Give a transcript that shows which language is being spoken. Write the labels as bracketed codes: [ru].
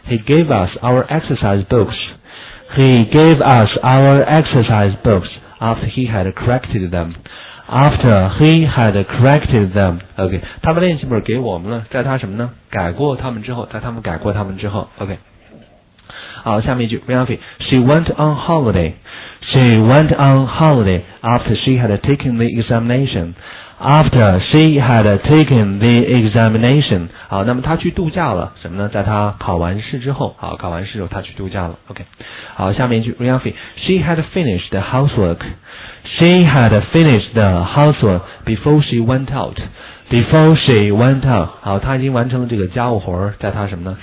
[en] He gave us our exercise books. He gave us our exercise books after he had corrected them. After he had corrected them. [zh] OK， 他把练习本给我们了，在他什么呢？改过他们之后，在他们改过他们之后。 OK， 好，下面一句。Ryanfi， [en] She went on holiday. She went on holiday after she had taken the examination. After she had taken the examination. [zh] 好，那么她去度假了，什么呢？在她考完试之后，好，考完试之后她去度假了。 OK， 好，下面一句 ，Ryanfi. [en] She had finished the housework. She had finished the housework before she went out. Before she went out. [zh] 好，她已经完成了这个家务活，在她什么呢？